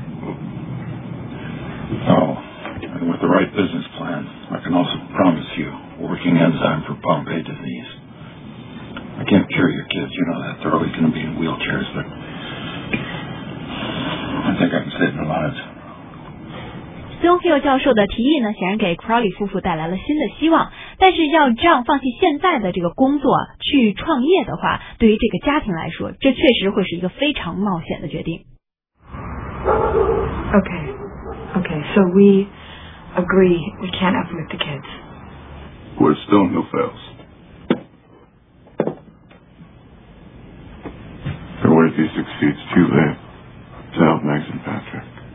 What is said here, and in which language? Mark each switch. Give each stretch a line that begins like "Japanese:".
English: Oh, and with the right business plan, I can also promise you,working enzyme for Pompe disease. I can't cure your kids, you know that. They're always going to be in wheelchairs, but I think I can save their lives.
Chinese: Stonehill 教授的提议呢，显然给 Crowley 夫妇带来了新的希望。但是要这样放弃现在的这个工作去创业的话，对于这个家庭来说，这确实会是一个非常冒险的决定。
English: Okay, so we agree we can't uproot the kids. Where Stonehill fails. Or what if he succeeds too late to help Max and Patrick?